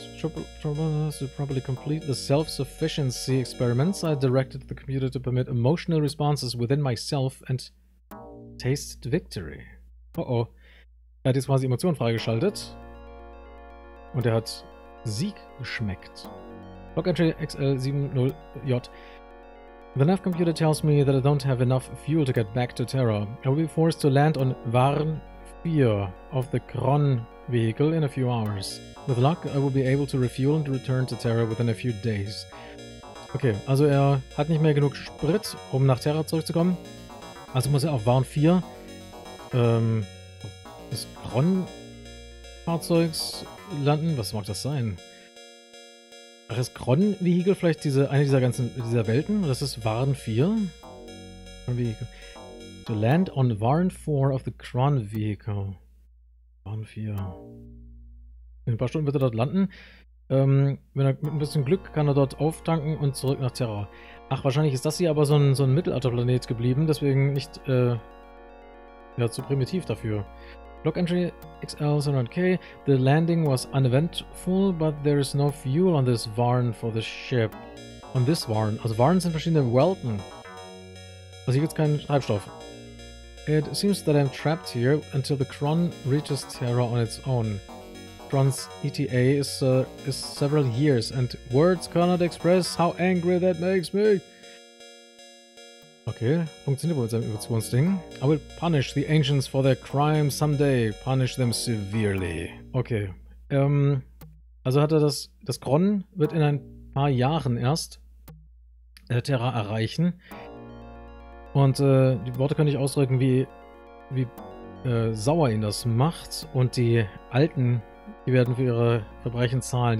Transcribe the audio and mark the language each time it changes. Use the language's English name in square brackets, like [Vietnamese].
[English] To properly complete the self-sufficiency experiments, I directed the computer to permit emotional responses within myself and tasted victory. [German] Oh oh, er hat jetzt quasi Emotionen freigeschaltet. Und er hat Sieg geschmeckt. Log entry XL70J. [English] The nav computer tells me that I don't have enough fuel to get back to Terra. I will be forced to land on Varn 4 of the Kron vehicle in a few hours. With luck, I will be able to refuel and return to Terra within a few days. [German] Okay, also er hat nicht mehr genug Sprit, um nach Terra zurückzukommen. Also muss er auf Varn 4 des Kron Fahrzeugs landen. Was mag das sein? Ach, das Kron-Vehikel, vielleicht eine dieser Welten? Das ist Varn 4? [English] To land on Varn 4 of the Kron-Vehicle. Varn 4. [German] In ein paar Stunden wird er dort landen. Wenn er mit ein bisschen Glück kann er dort auftanken und zurück nach Terra. Ach, wahrscheinlich ist das hier aber so ein Mittelalterplanet geblieben, deswegen nicht zu primitiv dafür. [English] Log entry XL700K. The landing was uneventful, but there is no fuel on this Varn for the ship. On this Varn. [German] Also Varn sind verschiedene Welten. Also hier gibt's keinen Treibstoff. [English] It seems that I'm trapped here until the Kron reaches Terra on its own. Kron's ETA is several years, and words cannot express how angry that makes me. [German] Okay, funktioniert wohl mit seinem Emotionsding. [English] I will punish the Ancients for their crime someday. Punish them severely. Okay. [German] Also hat er das Kron wird in ein paar Jahren erst Terra erreichen. Und die Worte können nicht ausdrücken, wie sauer ihn das macht. Und die Alten, die werden für ihre Verbrechen zahlen.